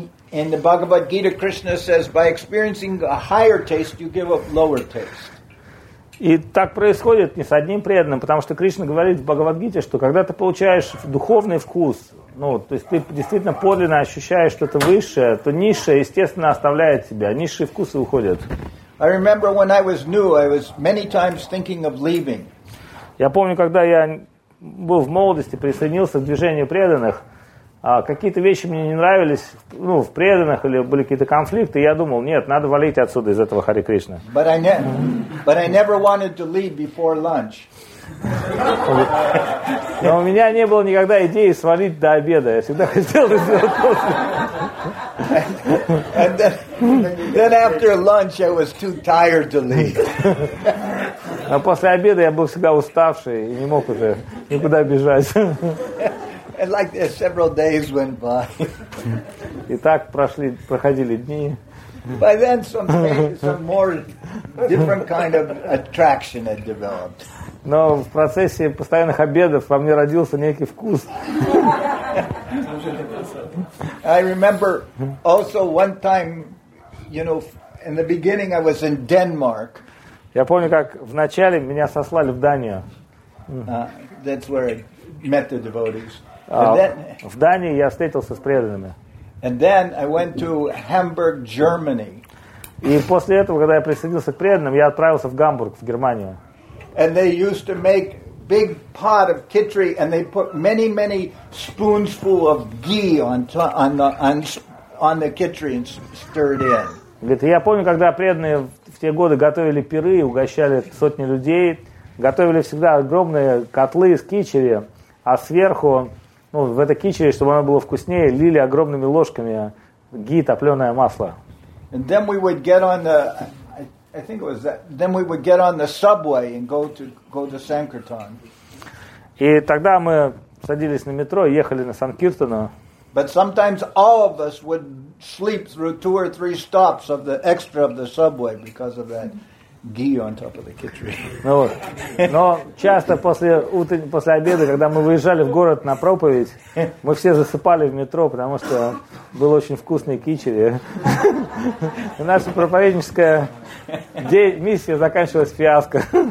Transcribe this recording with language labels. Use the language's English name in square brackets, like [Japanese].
[English] In the Bhagavad Gita, Krishna says, by experiencing a higher taste, you give up lower taste. [Russian] И так происходит не с одним преданным, потому что Кришна говорит в Бхагавад-гите, что когда ты получаешь духовный вкус, ну, то есть ты действительно подлинно ощущаешь что-то высшее, то низшее, естественно, оставляет тебя, низшие вкусы уходят. [English] I remember when I was new, I was many times thinking of leaving. [Russian] Я помню, когда я был в молодости, присоединился к движению преданных, какие-то вещи мне не нравились, ну, в преданных или были какие-то конфликты, я думал, нет, надо валить отсюда из этого Хари Кришна. [English] But I never wanted to leave before lunch. [Russian] Но у меня не было никогда идеи свалить до обеда. Я всегда хотел это сделать после. [English] And then after lunch I was too tired to leave. [Russian] Но после обеда я был всегда уставший и не мог уже никуда бежать. [English] And like this, several days went by. [Russian] И так прошли, проходили дни. [English] By then, some more different kind of attraction had developed. [Russian] Но в процессе постоянных обедов во мне родился некий вкус. [English] I remember also one time, you know, in the beginning I was in Denmark. [Russian] Я помню, как в начале меня сослали в Данию. [English] That's where I met the devotees. [Russian] В Дании я встретился с преданными. [English] And then I went to Hamburg, Germany. [Russian] И после этого, когда я присоединился к преданным, я отправился в Гамбург, в Германию. [English] And they used to make big pot of khichdi, and they put many, many spoonsful of ghee on the khichdi and stirred in. [Russian] Говорит, я помню, когда преданные в те годы готовили пиры, угощали сотни людей, готовили всегда огромные котлы из кичери, а сверху, ну, в этой кичере, чтобы оно было вкуснее, лили огромными ложками ги, топленое масло. [English] And then we would get on the, I think it was that, then we would get on the subway and go to Sankirtan. [Russian] И тогда мы садились на метро и ехали на Санкиртану. [English] But sometimes all of us would sleep through two or three stops of the extra of the subway because of that. Ghee on top of the khichdi. [Russian] Ну вот. Но часто после обеда, когда мы выезжали в город на проповедь, мы все засыпали в метро, потому что был очень вкусный кичери. И наша проповедническая миссия заканчивалась фиаско.